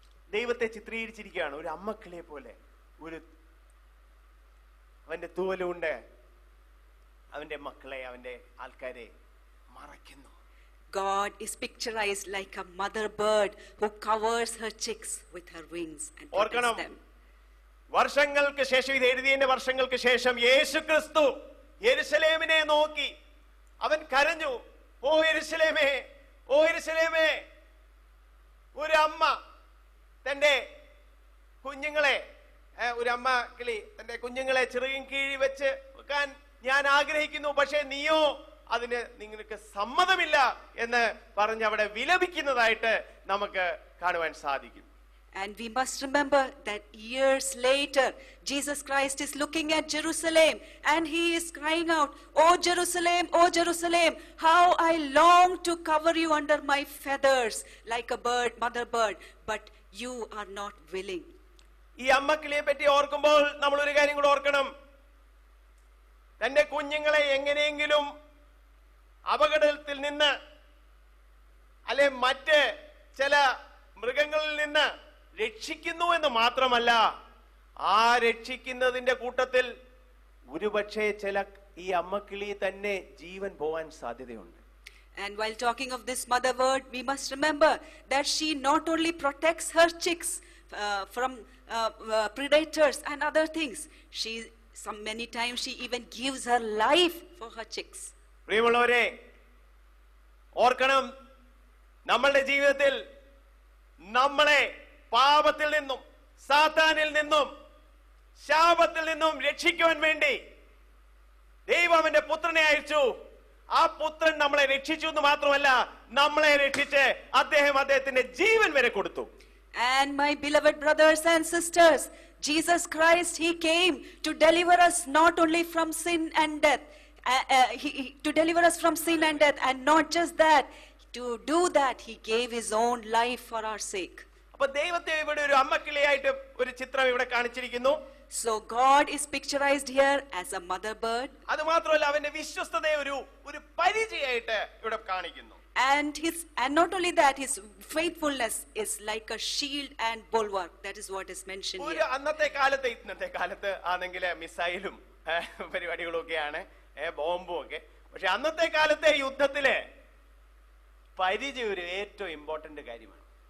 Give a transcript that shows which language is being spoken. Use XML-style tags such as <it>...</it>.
<ml>ദൈവത്തെ ചിത്രീകരിച്ചിരിക്കുകയാണ് ഒരു അമ്മക്കിളിയെ പോലെ ഒരു അവന്റെ തൂവലുകൊണ്ട് അവന്റെ മക്കളെ അവന്റെ ആൾക്കാരെ മറയ്ക്കുന്നു</ml> <en>god is pictureized like a mother bird who covers her chicks with her wings and protects them</en> <ml>വർഷങ്ങൾക്ക് ശേഷം ഇത് എഴുതിയതിന്റെ വർഷങ്ങൾക്ക് ശേഷം യേശു ക്രിസ്തു യെരുശലേമിനെ നോക്കി അവൻ കരഞ്ഞു, ഓ യെരുശലേമേ, ഓ യെരുശലേമേ. ഒരു അമ്മ തന്റെ കുഞ്ഞുങ്ങളെ, ഒരു അമ്മ കിളി തന്റെ കുഞ്ഞുങ്ങളെ ചെറുകിൻ കീഴിൽ വെച്ച് വെക്കാൻ ഞാൻ ആഗ്രഹിക്കുന്നു, പക്ഷെ നീയോ അതിന് നിങ്ങൾക്ക് സമ്മതമില്ല എന്ന് പറഞ്ഞ് അവിടെ വിലപിക്കുന്നതായിട്ട് നമുക്ക് കാണുവാൻ സാധിക്കും.</ml> <en>And we must remember that years later, Jesus Christ is looking at Jerusalem and he is crying out, "Oh Jerusalem, oh Jerusalem, how I long to cover you under my feathers like a bird, mother bird, but you are not willing."</en> <ml>ഈ അമ്മക്കിളിയെ പറ്റി ഓർക്കുമ്പോൾ നമ്മൾ ഒരു കാര്യം കൂടി ഓർക്കണം. തന്റെ കുഞ്ഞുങ്ങളെ എങ്ങനെയെങ്കിലും അപകടത്തിൽ നിന്ന് അല്ലെ മറ്റ് ചില മൃഗങ്ങളിൽ നിന്ന് രക്ഷിക്കുന്നു എന്ന് മാത്രമല്ല, ആ രക്ഷിക്കുന്നതിന്റെ കൂട്ടത്തിൽ ഒരുപക്ഷെ ചില ഈ അമ്മക്കിളി തന്നെ ജീവൻ പോവാൻ സാധ്യതയുണ്ട്.</ml> <en>And while talking of this mother bird, we must remember that she not only protects her chicks from predators and other things, she some many times she even gives her life for her chicks.</en> <ml>പ്രിയമുള്ളവരെ, ഓർക്കണം, നമ്മളുടെ ജീവിതത്തിൽ നമ്മളെ പാപത്തിൽ നിന്നും സാത്താനിൽ നിന്നും ശാപത്തിൽ നിന്നും രക്ഷിക്കുവാൻ വേണ്ടി ദൈവമന്റെ പുത്രനെ അയച്ചു. ആ പുത്രൻ നമ്മളെ രക്ഷിച്ചു എന്ന് മാത്രമല്ല, നമ്മളെ രക്ഷിച്ച് അദ്ദേഹം അദ്ദേഹത്തിന്റെ ജീവൻ വരെ കൊടുത്തു.</ml> <en>And my beloved brothers and sisters, Jesus Christ, he came to deliver us not only from sin and death, to deliver us from sin and death, and not just that, to do that he gave his own life for our sake.</en> <ml>അപ്പൊ ദൈവത്തെ ഇവിടെ ഒരു അമ്മക്കിളിയായിട്ട് ഒരു ചിത്രം ഇവിടെ കാണിച്ചിരിക്കുന്നു.</ml> <en>So God is pictureized here as a mother bird.</en> <ml>അതു മാത്രമല്ല, അവന്റെ വിശ്വസ്തതയെ ഒരു ഒരു പരിചയമായിട്ട് ഇവിടെ കാണിക്കുന്നു.</ml> <en>And not only that, his faithfulness is like a shield and bulwark. That is what is mentioned here.</en> <ml>ഒരു അന്നത്തെ കാലത്തെ ഇന്നത്തെ കാലത്തെ ആണെങ്കിലും മിസൈലും പരിപാടികളും ഒക്കെയാണ്, ബോംബും ഒക്കെ. പക്ഷെ അന്നത്തെ കാലത്തെ യുദ്ധത്തിലെ പരിചയം ഒരു ഏറ്റവും ഇമ്പോർട്ടന്റ് കാര്യമാണ്.</ml>